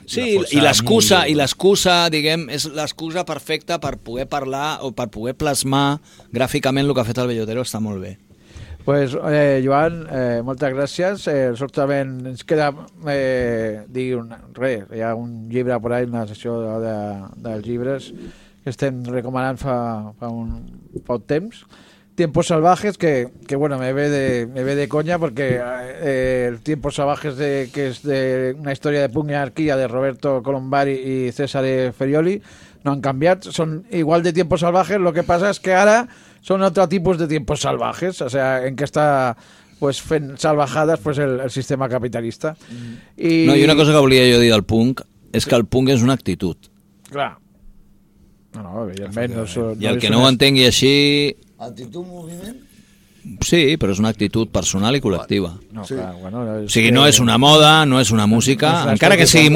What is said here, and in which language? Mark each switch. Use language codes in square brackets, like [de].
[ca] Sí, i l'excusa, diguem, és l'excusa perfecta per poder parlar o per poder plasmar gràficament el que ha fet el Bellotero, està molt bé. Pues, Joan, moltes gràcies. Sortament ens queda hi ha un llibre per ahí, una sessió dels llibres que estem recomanant fa un poc temps. [es] Tiempos salvajes, que bueno, me ve de coña porque el Tiempos salvajes que es de una historia de puño y anarquía de Roberto Colombari y César Ferioli no han cambiado, son igual de Tiempos salvajes, lo que pasa es que ahora son otro tipo de Tiempos salvajes, o sea, en que está pues salvajadas pues el sistema capitalista. No, y una cosa que volía yo decir al punk es que el punk es una actitud. [ca] Claro. No, evidentment. I el que no ho entengui així... Actitud, moviment? Sí, però és una actitud personal i col·lectiva. No, sí. Clar, bueno, o sigui, no és una moda, no és una música, no és una encara que sigui que...